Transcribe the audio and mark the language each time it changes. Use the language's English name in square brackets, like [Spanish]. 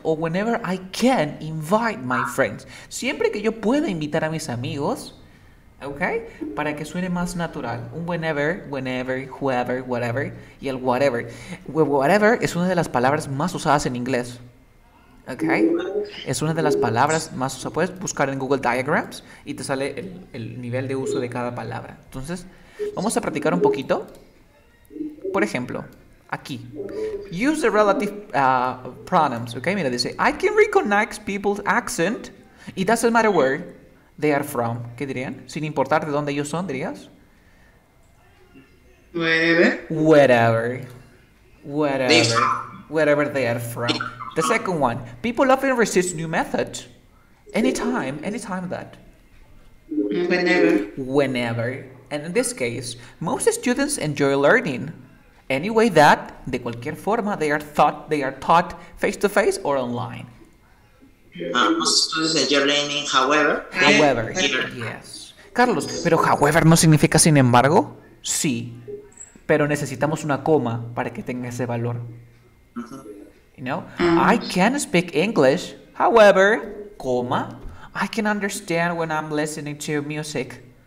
[English] or whenever I can invite my friends. [Spanish] Siempre que yo pueda invitar a mis amigos, okay? Para que suene más natural. Un whenever, whenever, whoever, whatever, y el whatever. Whatever es una de las palabras más usadas en inglés. Okay? Es una de las palabras más usadas. Puedes buscar en Google Diagrams y te sale el nivel de uso de cada palabra. Entonces, vamos a practicar un poquito. Por ejemplo, aquí. [English] Use the relative pronouns, okay? [Spanish] Mira, dice, [English] I can recognize people's accent. It doesn't matter where they are from. [Spanish] ¿Qué dirían? Sin importar de dónde ellos son, dirías. [English] Where? Whatever. Whatever. Whatever they are from. The second one. People often resist new methods. Anytime. Anytime that. Whenever. Whenever. And in this case, most students enjoy learning any way that, [Spanish] de cualquier forma, [English] they are taught face-to-face or online. Most students enjoy learning, however. However, yes. [Spanish] Carlos, pero however no significa sin embargo? Sí, pero necesitamos una coma para que tenga ese valor. [English] You know, I can speak English, however, coma, I can understand when I'm listening to music.